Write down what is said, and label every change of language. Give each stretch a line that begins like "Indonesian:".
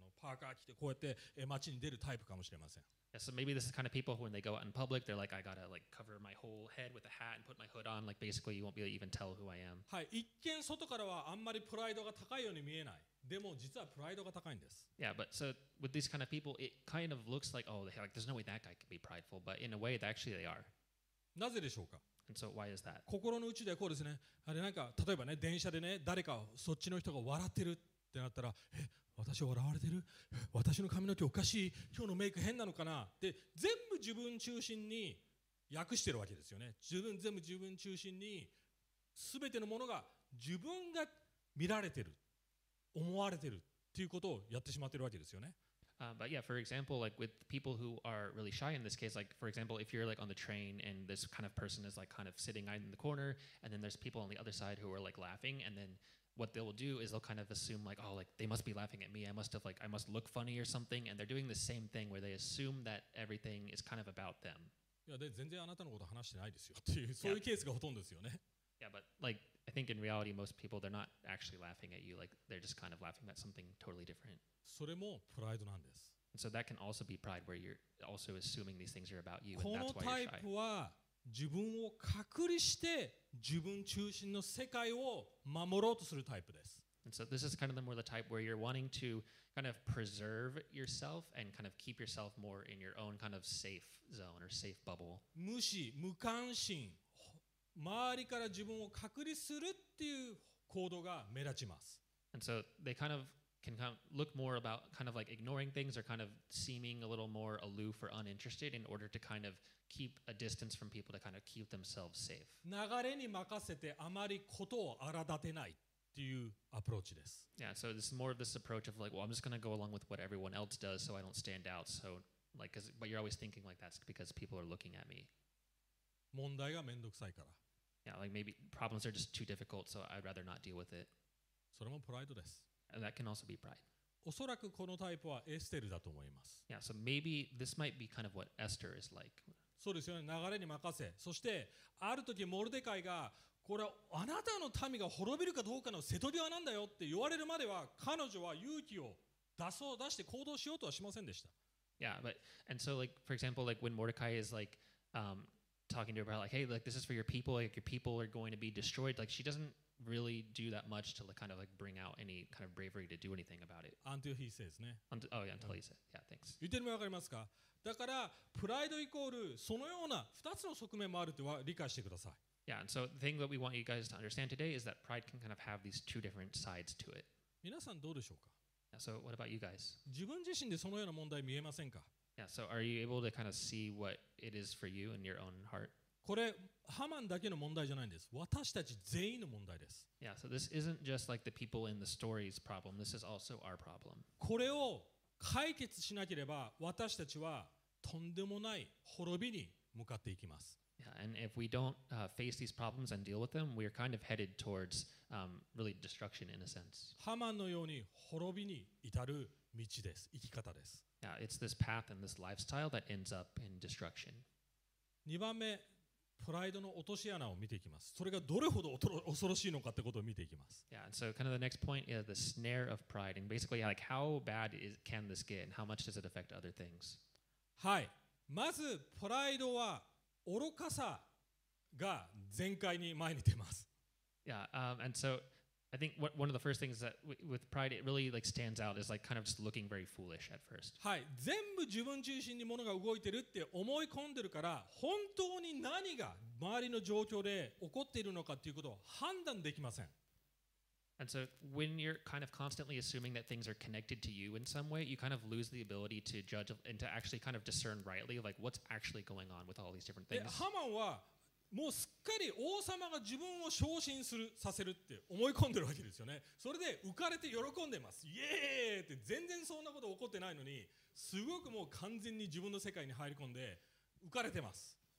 Japanese: パーカー着てこうやって街に出るタイプかもしれません。
English: Yeah, so maybe this is kind of people when they go out in public, they're like, I gotta like cover my whole head with a hat and put my hood on, like basically you won't be able to even tell who I am.
Japanese: はい、一見外からはあんまりプライドが高いように見えない。でも実はプライドが高いんです。
English: Yeah, but so with these kind of people, it kind of looks like, oh, like there's no way that guy can be prideful, but in a way, actually they are.
Japanese: なぜでしょうか？
English: And so why is that?
Japanese: 心の内ではこうですね。あれなんか例えばね、電車でね、誰かそっちの人が笑ってるってなったら、え？私笑われてる？私の髪の毛おかしい？今日のメイク変なのかな？で、全部自分中心に訳してるわけですよね。全部自分中心に全てのものが自分が見られてる、思われてるっていうことをやってしまってるわけですよね。
English: But yeah, for example, like with people who are really shy in this case, like for example, if you're like on the train and this kind of person is like kind of sitting in the corner and then there's people on the other side who are like laughing and then what they will do is they'll kind of assume like, oh, like they must be laughing at me. I must look funny or something. And they're doing the same thing where they assume that everything is kind of about them. Yeah, but like, I think in reality, most people, they're not actually laughing at you. Like they're just kind of laughing at something totally different.
Japanese: それもプライドなんです。
English: And so that can also be pride where you're also assuming these things are about you.
Japanese: このタイプは自分を隔離して自分中心の世界を守ろうとするタイプです。
English: And so this is kind of the more the type where you're wanting to kind of preserve yourself and kind of keep yourself more in your own kind of safe zone or safe bubble.
Japanese: 無視、無関心、周りから自分を隔離するっていう行動が目立ちます。
English: And so they kind of can kind of look more about kind of like ignoring things or kind of seeming a little more aloof or uninterested in order to kind of keep a distance from people to kind of keep themselves safe.
Japanese: 流れに任せてあまりことを荒立てない。
English: Yeah, so this is more of this approach of like, well, I'm just going to go along with what everyone else does so I don't stand out. So, like, cause, but you're always thinking like that's because people are looking at me.
Japanese: 問題がめんどくさいから。
English: Yeah, like maybe problems are just too difficult, so I'd rather not deal with it.
Japanese: それもプライドです。
English: And that can also be pride.
Japanese: おそらくこのタイプはエステルだと思います。
English: Yeah, so maybe this might be kind of what Esther is like.
Japanese: そうですよね、流れに任せ。そしてある時モルデカイがこれはあなたの民が滅びるかどうかの瀬戸際なんだよって言われるまでは彼女は勇気を出そう出して行動しようとはしませんでした。
English: Yeah, but and so like for example, like when Mordecai is like talking to her about like, hey, like this is for your people, like your people are going to be destroyed. Like she doesn't really do that much to kind of like bring out any kind of bravery to do anything about it. Until he says, ね。 Oh yeah, until he says, yeah, thanks.
Japanese: 言ってるのわかりますか？だからプライドイコールそのような二つの側面もあるとは理解してください。
English: Yeah, and so the thing that we want you guys to understand today is that pride can kind of have these two different sides to it.
Japanese: 皆さんどうでしょうか?
English: Yeah, so what about you guys?
Japanese: 自分自身でそのような問題見えませんか?
English: Yeah, so are you able to kind of see what it is for you in your own heart?
Japanese: これハマンだけの問題じゃないんです。私たち全員の問題です。
English: Yeah, so this isn't just like the people in the story's problem. This is also our problem.
Japanese: これを解決しなければ私たちはとんでもない滅びに向かっていきます。
English: Yeah, and if we don't face these problems and deal with them, we're kind of headed towards really destruction in a sense.
Japanese: ハマンのように滅びに至る道です。生き方です。
English: Yeah, it's this path and this lifestyle that ends up in destruction.
Japanese: 2番目、プライドの落とし穴を見ていきます。それがどれほど恐ろしいのかってことを見ていきます。
English: Yeah, and so kind of the next point is the snare of pride. And basically, like, how bad can this get? And how much does it affect other things?
Japanese: はい。まず、プライドは愚かさが全開に前に出ます。
English: Yeah, and so I think one of the first things that with pride it really like stands out is like kind of just looking very foolish at first.
Japanese: はい、全部自分中心に物が動いてるって思い込んでるから、本当に何が周りの状況で起こっているのかっていうことを判断できません。
English: And so when you're kind of constantly assuming that things are connected to you in some way, you kind of lose the ability to judge and to actually kind of discern rightly like what's actually going on with all these different things.
Japanese: ハマンはもうすっかり王様が自分を昇進するさせるって思い込んでるわけですよね。それで浮かれて喜んでます。イエーって全然そんなこと起こってないのに、すごくもう完全に自分の世界に入り込んで浮かれてます。